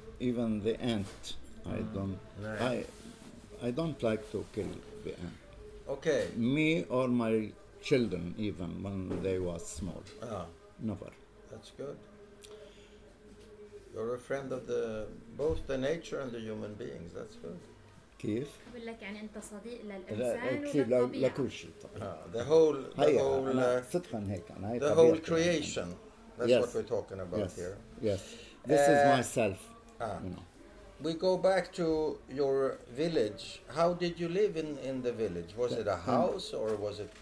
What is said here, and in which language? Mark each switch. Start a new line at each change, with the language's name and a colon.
English: Even the ant, I don't like to kill the ant. Okay. Me or my children, even when they were small. Oh. Never. That's good. You're a friend of the both the nature and the human beings. That's good.
Arabic: كيف؟ بقول لك يعني أنت صديق للإنسان وللطبيعة. لكل شيء.
English: The whole creation. That's what we're talking about here. Yes. This is myself. You know. We go back to your village. How did you live in the village? Was it a house or was it...